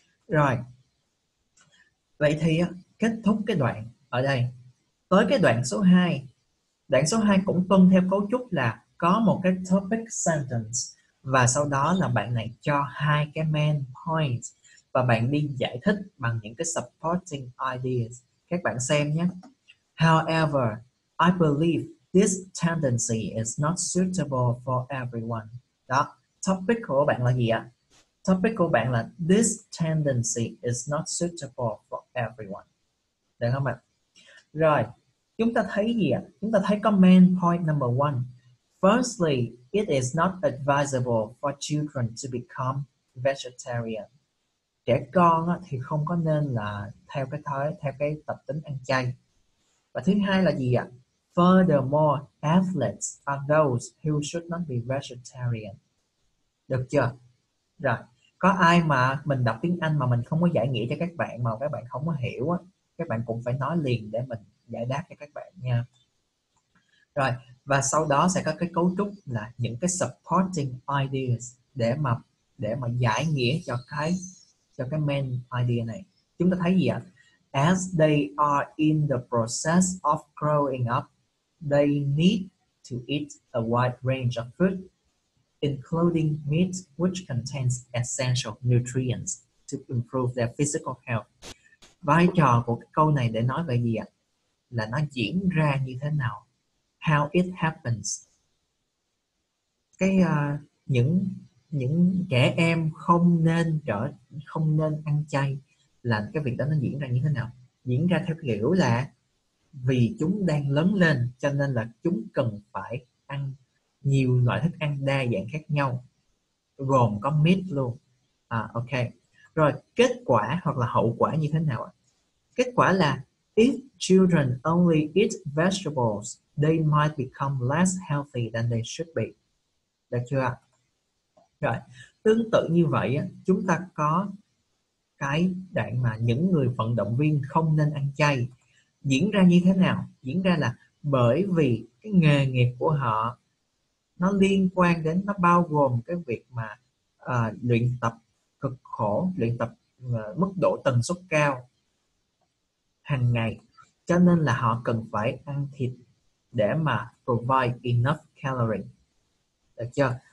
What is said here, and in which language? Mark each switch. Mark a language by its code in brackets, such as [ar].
[vi] Rồi, vậy thì kết thúc cái đoạn ở đây. Tới cái đoạn số 2. Đoạn số 2 cũng tuân theo cấu trúc là có một cái topic sentence, và sau đó là bạn này cho hai cái main point, và bạn đi giải thích bằng những cái supporting ideas. Các bạn xem nhé. [en] However, I believe this tendency is not suitable for everyone. [vi] Đó, topic của bạn là gì ạ? [en] Topic của bạn là this tendency is not suitable for everyone. [vi] Được không ạ? Rồi, chúng ta thấy gì ạ? Chúng ta thấy có main point number one. [en] Firstly, it is not advisable for children to become vegetarian. [vi] trẻ con á, thì không có nên là theo cái tập tính ăn chay. Và thứ hai là gì ạ? [en] Furthermore, athletes are those who should not be vegetarian. [vi] Được chưa? Rồi, có ai mà mình đọc tiếng Anh mà mình không có giải nghĩa cho các bạn mà các bạn không có hiểu á, các bạn cũng phải nói liền để mình giải đáp cho các bạn nha. Rồi, và sau đó sẽ có cái cấu trúc là những cái supporting ideas để mà giải nghĩa cho cái main idea này. Chúng ta thấy gì ạ? [en] As they are in the process of growing up, they need to eat a wide range of food, including meat, which contains essential nutrients to improve their physical health. [vi] Vai trò của cái câu này để nói về gì ạ? Là nó diễn ra như thế nào? [en] How it happens? [vi] Cái những trẻ em không nên ăn chay là cái việc đó nó diễn ra như thế nào? Diễn ra theo kiểu là vì chúng đang lớn lên cho nên là chúng cần phải ăn nhiều loại thức ăn đa dạng khác nhau, gồm có meat luôn. Ok. Rồi kết quả hoặc là hậu quả như thế nào ạ? Kết quả là [en] if children only eat vegetables, they might become less healthy than they should be. [vi] Được chưa? Rồi, tương tự như vậy á, chúng ta có cái đoạn mà những người vận động viên không nên ăn chay diễn ra như thế nào? Diễn ra là bởi vì cái nghề nghiệp của họ nó liên quan đến, nó bao gồm cái việc mà luyện tập cực khổ, luyện tập mức độ tần suất cao hàng ngày, cho nên là họ cần phải ăn thịt để mà [en] provide enough calorie. [vi] Được chưa?